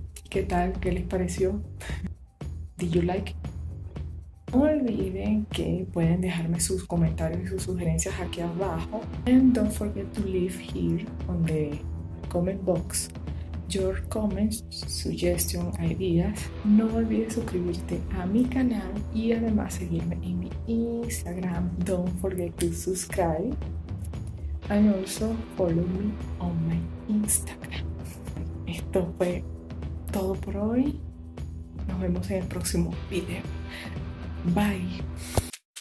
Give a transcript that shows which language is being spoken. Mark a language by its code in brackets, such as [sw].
[es] ¿Qué tal? ¿Qué les pareció? [en] ¿Did you like? [es] No olviden que pueden dejarme sus comentarios y sus sugerencias aquí abajo. [en] And don't forget to leave here on the comment box your comments, suggestions, ideas. [es] No olvides suscribirte a mi canal y además seguirme en mi Instagram. [en] Don't forget to subscribe and also follow me on my Instagram. [es] Esto fue todo por hoy. Nos vemos en el próximo video. Bye.